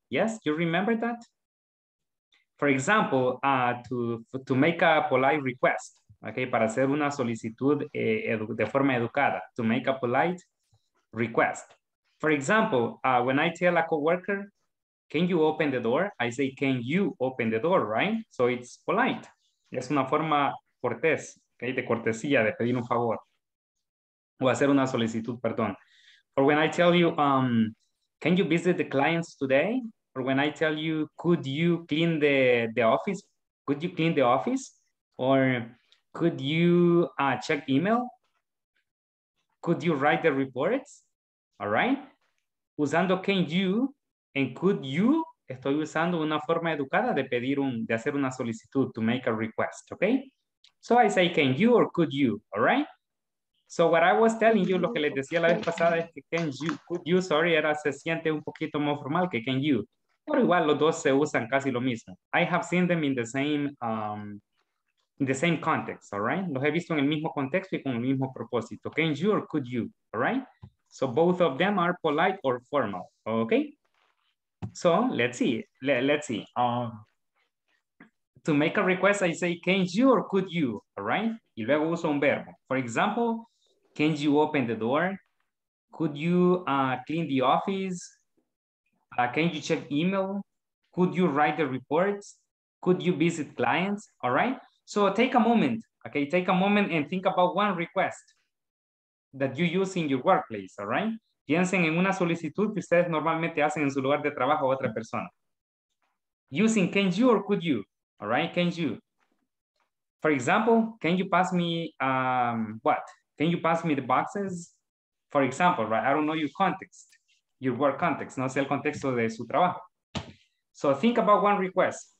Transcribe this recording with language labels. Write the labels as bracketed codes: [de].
[en] Yes, you remember that? For example, to make a polite request, okay, [es] para hacer una solicitud de forma educada, [en] to make a polite request. For example, when I tell a coworker, can you open the door? I say, can you open the door, right? So it's polite. [es] Es una forma cortés, okay, de cortesía, de pedir un favor. O hacer una solicitud, perdón. [en] Or when I tell you, can you visit the clients today? Or when I tell you, could you clean the office? Could you clean the office? Or could you check email? Could you write the reports? All right? Usando can you and could you, [es] estoy usando una forma educada de pedir un, de hacer una solicitud, [en] to make a request, okay? So I say, can you or could you, all right? So what I was telling you, [es] lo que les decía la vez pasada es que can you, could you, sorry, era, se siente un poquito más formal que can you. Pero igual los dos se usan casi lo mismo. [en] I have seen them in the same context, all right? [es] Los he visto en el mismo contexto y con el mismo propósito. [en] Can you or could you, all right? So both of them are polite or formal, okay? So let's see, let's see. To make a request, I say, can you or could you, all right? [es] Y luego uso un verbo. [en] For example, can you open the door? Could you clean the office? Can you check email? Could you write the reports? Could you visit clients, all right? So take a moment, okay? Take a moment and think about one request that you use in your workplace, all right? [es] Piensen en una solicitud que ustedes normalmente hacen en su lugar de trabajo a otra persona. [en] Using can you or could you, all right? Can you? For example, can you pass me what? Can you pass me the boxes? For example, right? I don't know your context, your work context. [es] No sé el contexto de su trabajo. [en] So think about one request.